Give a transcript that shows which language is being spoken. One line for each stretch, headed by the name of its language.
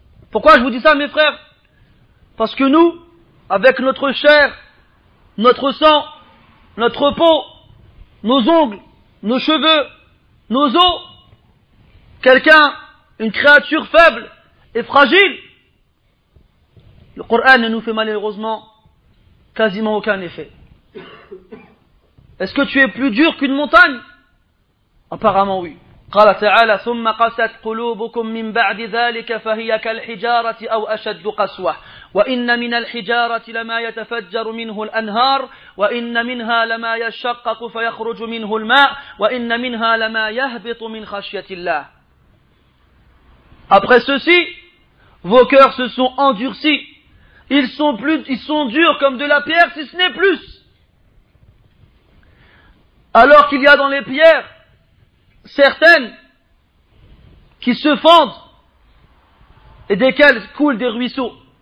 French: Pourquoi je vous dis ça, mes frères? Parce que nous, avec notre chair, notre sang, notre peau, nos ongles, nos cheveux, nos os, quelqu'un, une créature faible et fragile, le Coran ne nous fait malheureusement quasiment aucun effet. Est-ce que tu es plus dur qu'une montagne ? Apparemment oui.
Arabic: قال تعالى ثم قست قلوبكم من بعد ذلك فهي كالحجارة أو أشد قسوة وإن من الحجارة لما يتفجر منه الأنهار وإن منها لما يشقق فيخرج منه الماء وإن منها لما يهبط من خشية الله.
French: Après ceci, vos cœurs se sont endurcis. Ils sont durs comme de la pierre, si ce n'est plus. Alors qu'il y a dans les pierres certaines qui se fendent et desquelles coulent des ruisseaux.